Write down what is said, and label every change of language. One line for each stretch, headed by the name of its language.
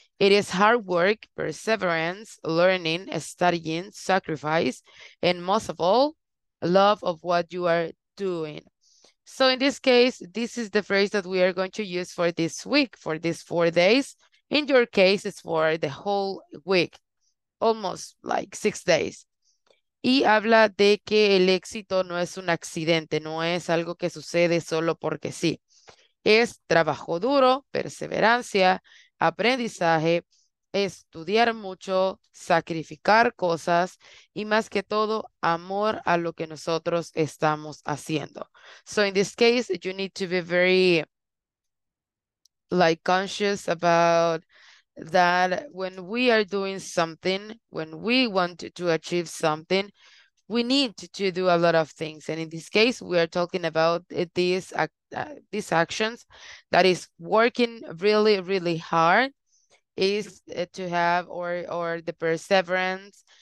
English: It is hard work, perseverance, learning, studying, sacrifice, and most of all, love of what you are doing. So in this case, this is the phrase that we are going to use for this week, for these 4 days. In your case, it's for the whole week, almost like 6 days.
Spanish: Y habla de que el éxito no es un accidente, no es algo que sucede solo porque sí. Es trabajo duro, perseverancia, aprendizaje, estudiar mucho, sacrificar cosas y más que todo, amor a lo que nosotros estamos haciendo.
English: So in this case, you need to be very like conscious about that when we are doing something, when we want to achieve something, we need to do a lot of things. And in this case, we are talking about these actions that is working really, really hard, is to have or the perseverance